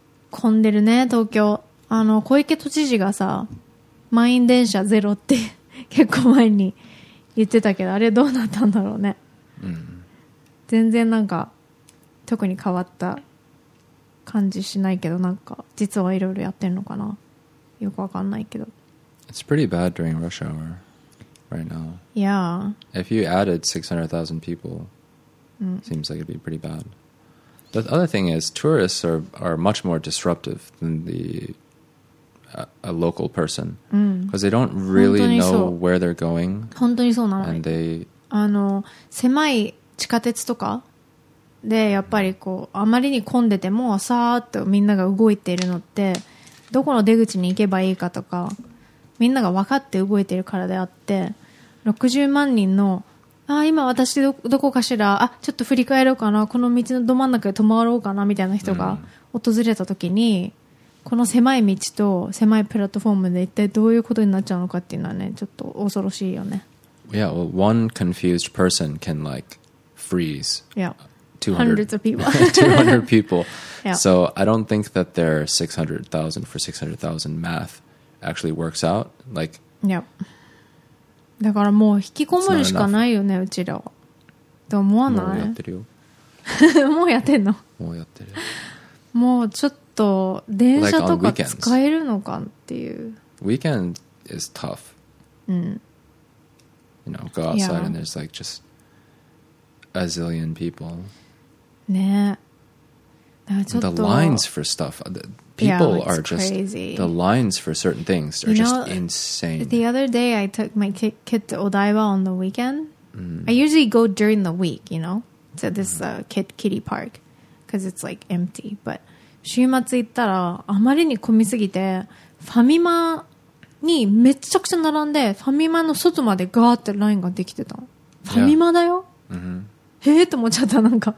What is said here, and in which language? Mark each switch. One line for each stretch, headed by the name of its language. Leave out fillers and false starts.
Japanese: 混んでるね、東京。あの、小池都知事がさ、満員電車ゼロって結構前に言ってたけど、あれどうなったんだろうね。うん、全然なんか特に変わった感じしないけど、なんか実はいろいろやってるのかな、よくわかんないけど。
English: It's pretty bad during rush hour right now. Yeah. If you added 600,000 people、seems like it'd be pretty bad. The other thing is tourists are much more disruptive than thea local person. Because they don't really know where they're going.
Japanese: 本当にそうなの。
English: And they...
Japanese: あの、狭い地下鉄とかでやっぱりこうあまりに混んでてもさーっとみんなが動いているのって、どこの出口に行けばいいかとかみんなが分かって動いているからであって、60万人の、あ、今私 どこかしら、あ、ちょっと振り返ろうかな、この道のど真ん中で止まろうかなみたいな人が訪れた時に、この狭い道と狭いプラットフォームで一体どういうことになっちゃうのかっていうのはね、ちょっと恐ろしいよね。
English: Yeah, well, one confused person can like freeze. Yeah, hundreds of people. 200 people. So I don't think that their 600,000 for 600,000 math actually works out. Like, yeah.
Japanese: だからもう引きこもるしかないよね、うちらは。と思わない？もうやってるよ。もうやってんの？もうやってる。もうちょっと電車とか使えるのかっていう。
English: Weekend is tough.
Japanese: うん。
English: You know, go outside and there's like just a zillion people.
Japanese: ね。
English: The lines for stuff. People are just crazy. The lines for certain things are just insane. The other day I took my kid to Odaiba on the weekend. I usually go during the week, you know, to this kitty park because it's like empty, but.
Japanese: 週末行ったらあまりに混みすぎて、ファミマにめちゃくちゃ並んで、ファミマの外までガーってラインができてた。ファミマだよ。へえと思っちゃった、なんか。